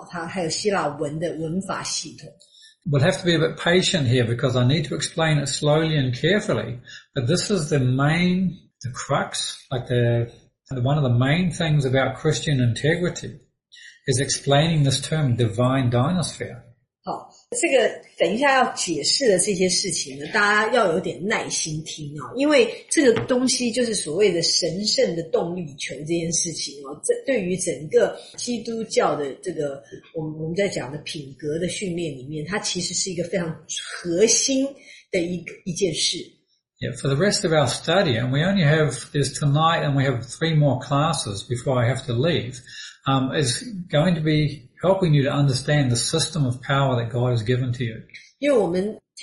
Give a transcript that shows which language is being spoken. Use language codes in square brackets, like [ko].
[zh] 为了要理解这个动力球的状态呢，他先要解释一下这个希腊文、希腊字，好，它还有希腊文的文法系统。 [en] We'll have to be a bit patient here because I need to explain it slowly and carefully. But this is the main, the crux, like the one of the main things about Christian integrity is explaining this term divine dynasphere. [zh] 好。这个等一下要解释的这些事情呢，大家要有点耐心听哦，因为这个东西就是所谓的神圣的动力球这件事情哦，这对于整个基督教的这个我们在讲的品格的训练里面，它其实是一个非常核心的一件事。Yeah, [en] for the rest of our study, and we only have this tonight, and we have three more classes before I have to leave. Is going to be helping you to understand the system of power that God has given to you.